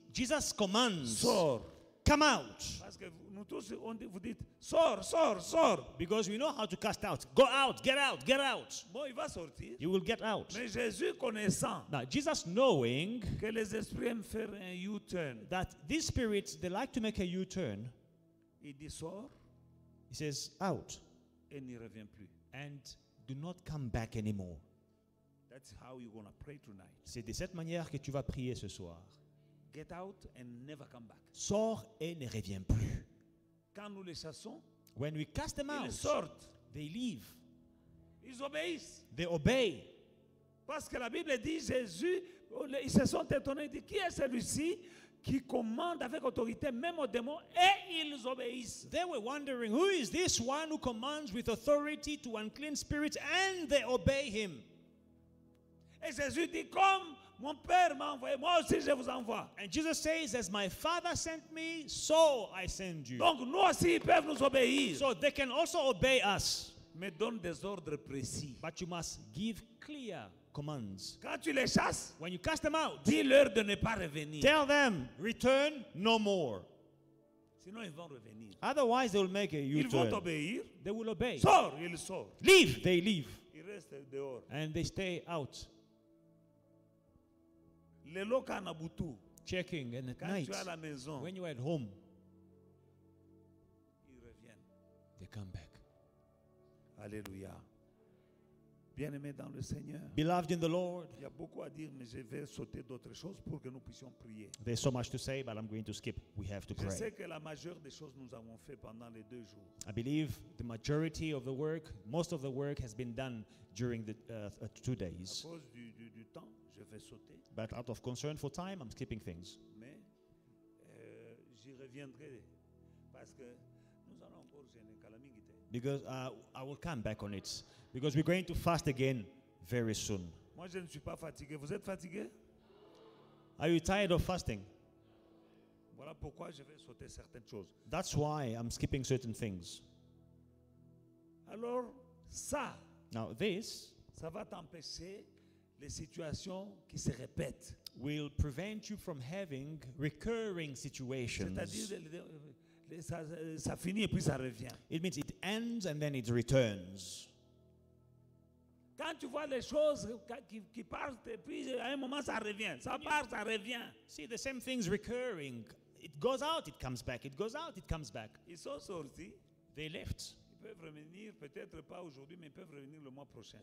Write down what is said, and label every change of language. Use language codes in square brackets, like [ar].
[en] Jesus commands, [fr] sors, [en] come out. [fr] Parce que nous tous, on dit, vous dites, sors, sors, sors. [en] Because we know how to cast out. Go out, get out, get out. [fr] Bon, il va sortir. [en] You will get out. [fr] Mais Jésus connaissant, [en] now, Jesus knowing, [fr] que les esprits aiment faire un U-turn, [en] that these spirits, they like to make a U-turn, [fr] il dit, sors, [en] he says, out. [fr] Et n'y revient plus. [en] And do not come back anymore. That's how you're gonna pray tonight. [fr] C'est de cette manière que tu vas prier ce soir. [en] Get out and never come back. [fr] Sors et ne reviens plus. Quand nous les chassons, [en] when we cast them out, [fr] ils sortent, [en] they leave. [fr] Ils obéissent. [en] They obey. [fr] Parce que la Bible dit, Jésus, ils se sont étonnés, ils disent, qui est celui-ci qui commande avec autorité même aux démons et ils obéissent. [en] They were wondering, who is this one who commands with authority to unclean spirits and they obey him. [fr] Et Jésus dit, comme mon Père m'a envoyé, moi aussi je vous envoie. [en] And Jesus says, as my Father sent me, so I send you. [fr] Donc nous aussi ils peuvent nous obéir. [en] So they can also obey us. [fr] Mais donne des ordres précis. [en] But you must give clear commands. [fr] Quand tu les chasses, [en] when you cast them out, [fr] dis-leur de ne pas revenir. [en] Tell them, return no more. [fr] Sinon ils vont revenir. [en] Otherwise they will make a U-turn. [fr] Ils vont obéir. [en] They will obey. [fr] Sort, ils sort. [en] Leave, they leave. [fr] Ils restent dehors. [en] And they stay out. Le loca na butu. Checking and at [fr] quand [en] night. [fr] Tu es à la maison, [en] when you are at home. [fr] Ils reviennent. [en] They come back. [fr] Alléluia. Bien-aimé dans le Seigneur. [en] Beloved in the Lord. [fr] Il y a beaucoup à dire, mais je vais sauter d'autres choses pour que nous puissions prier. [en] There's so much to say, but I'm going to skip. We have to pray. [fr] Je sais que la majeure des choses nous avons fait pendant les deux jours. [en] I believe the majority of the work, most of the work has been done during the 2 days. [fr] À cause du temps, je vais sauter. [en] But out of concern for time, I'm skipping things. [fr] Mais j'y reviendrai parce que nous allons encore gêner calamité. [en] Because I will come back on it. Because we're going to fast again very soon. [fr] Moi, je ne suis pas fatigué. Vous êtes fatigué? [en] Are you tired of fasting? [fr] Voilà pourquoi je vais sauter certaines choses. [en] That's why I'm skipping certain things. [fr] Alors, ça, [en] now this, [fr] ça va t'empêcher les situations qui se répètent. [en] Will prevent you from having recurring situations. [fr] C'est-à-dire, ça finit et puis ça revient. [en] It means it ends and then it returns. [fr] Quand tu vois les choses qui partent et puis à un moment ça revient, ça part, ça revient. [en] See the same things recurring. It goes out, it comes back. It goes out, it comes back. [fr] Ils sont sortis. [en] They left. [fr] Ils peuvent revenir, peut-être pas aujourd'hui, mais ils peuvent revenir le mois prochain.